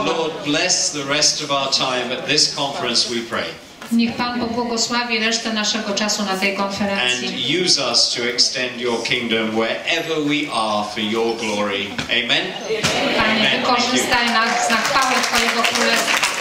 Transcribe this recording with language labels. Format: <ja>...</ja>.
<en>And Lord, bless the rest of our time at this conference, we pray.</en> <pl>Niech Pan pobłogosławi resztę naszego czasu na tej konferencji.</pl> <en>And use us to extend your kingdom wherever we are for your glory. Amen.</en> <pl>Panie, amen. Wykorzystaj nas na chwałę Twojego Królestwa.</pl>